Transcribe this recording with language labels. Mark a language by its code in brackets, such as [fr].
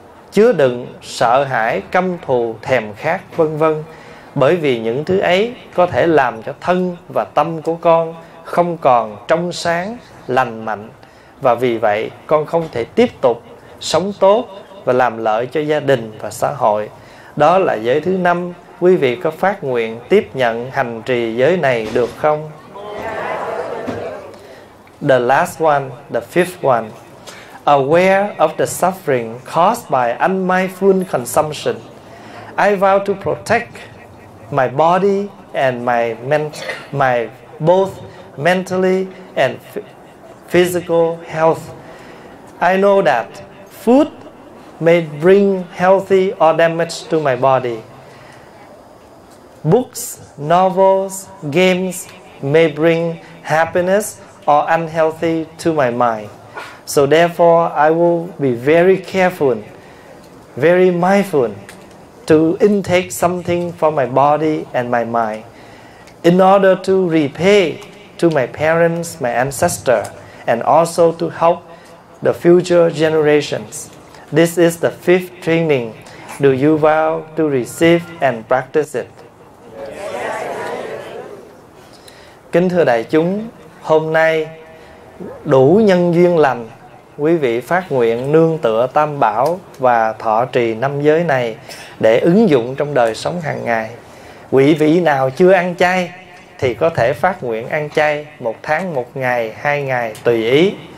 [vi] chứa đựng sợ hãi, căm thù, thèm khát, vân vân, bởi vì những thứ ấy có thể làm cho thân và tâm của con không còn trong sáng, lành mạnh, và vì vậy con không thể tiếp tục sống tốt và làm lợi cho gia đình và xã hội. Đó là giới thứ năm. Quý vị có phát nguyện tiếp nhận hành trì giới này được không? [en] The last one, the fifth one. Aware of the suffering caused by unmindful consumption, I vow to protect my body and my both mentally and physical health. I know that food may bring healthy or damage to my body. Books, novels, games may bring happiness or unhealthy to my mind. So therefore, I will be very careful, very mindful to intake something from my body and my mind in order to repay to my parents, my ancestors, and also to help the future generations. This is the fifth training. Do you vow to receive and practice it? [vi] Kính thưa đại chúng, hôm nay đủ nhân duyên lành, quý vị phát nguyện nương tựa Tam Bảo và thọ trì năm giới này để ứng dụng trong đời sống hàng ngày. Quý vị nào chưa ăn chay thì có thể phát nguyện ăn chay một tháng, một ngày, hai ngày, tùy ý.